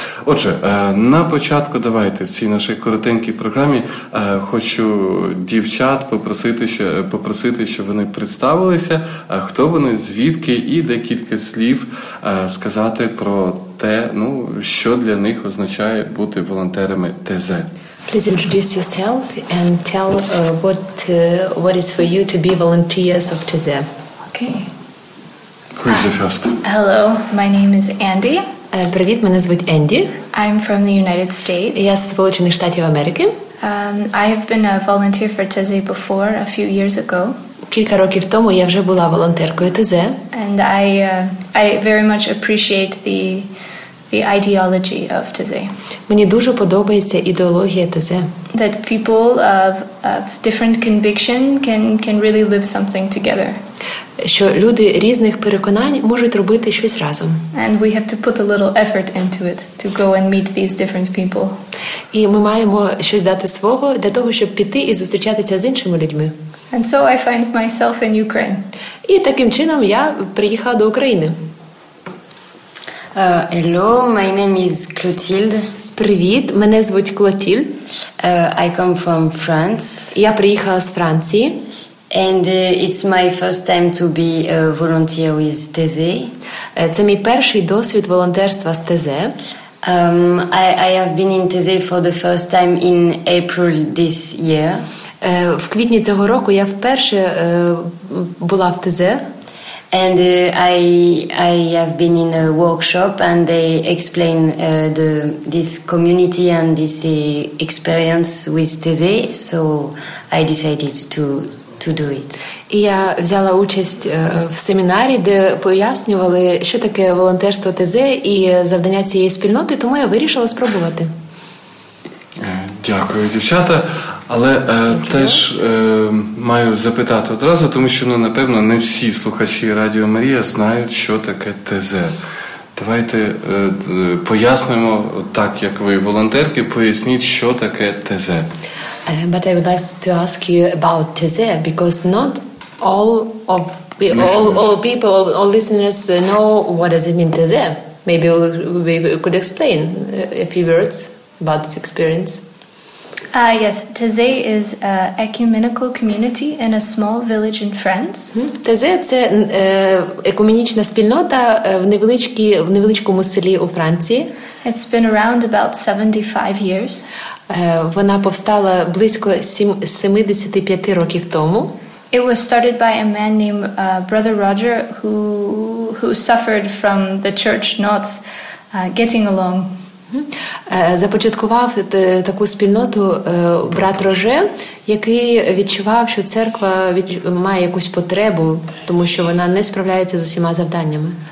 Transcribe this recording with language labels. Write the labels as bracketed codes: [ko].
[uk] Отже, на початку давайте в цій нашій коротенькій програмі хочу дівчат попросити, щоб вони представилися, хто вони, звідки, і декілька слів сказати про те, ну, що для них означає бути волонтерами ТЗ. [en] Please introduce yourself and tell what is for you to be volunteers of TZ. Okay. Who is the first? Hello, my name is Andy. [uk] Привіт, мене звуть Andy. [en] I'm from the United States. [uk] Я з Сполучених Штатів Америки. [en] I have been a volunteer for TZ before, a few years ago. [uk] Кілька років тому я вже була волонтеркою TZ. [en] And I very much appreciate the ideology of TZ. [uk] Мені дуже подобається ідеологія ТЗ. [en] That people of different conviction can really live something together. [uk] Що люди різних переконань можуть робити щось разом. [en] And we have to put a little effort into it to go and meet these different people. [uk] І ми маємо щось дати свого для того, щоб піти і зустрічатися з іншими людьми. [en] And so I find myself in Ukraine. [uk] І таким чином я приїхала до України. [en] Hello, my name is Clotilde. [uk] Привіт, мене звуть Clotilde. [en] I come from France. [uk] Я приїхала з Франції. [en] And it's my first time to be a volunteer with TZ. [uk] Це мій перший досвід волонтерства з ТЗ. [en] I have been in TZ for the first time in April this year. [uk] В квітні цього року я вперше була в ТЗ. [en] And I have been in a workshop and they explain this community and this experience with TZ, so I decided to do it. [uk] І я взяла участь в семінарі, де пояснювали, що таке волонтерство ТЗ і завдання цієї спільноти, тому я вирішила спробувати. Дякую, дівчата. Але теж маю запитати одразу, тому що, ну, напевно, не всі слухачі Радіо Марія знають, що таке ТЗ. Давайте пояснимо так, як ви волонтерки, поясніть, що таке ТЗ. [en] But I would like to ask you about ТЗ, because not all people, all listeners know what does it mean ТЗ. Maybe we could explain a few words about this experience. Yes, TZ is a ecumenical community in a small village in France. [uk] TZ це екуменічна спільнота в невеличкому селі у Франції. [en] It's been around about 75 years. [uk] Вона повстала близько 75 років тому. [en] It was started by a man named Brother Roger who suffered from the church not getting along. [uk] Започаткував таку спільноту брат Роже, який відчував, що церква має якусь потребу, тому що вона не справляється з усіма завданнями.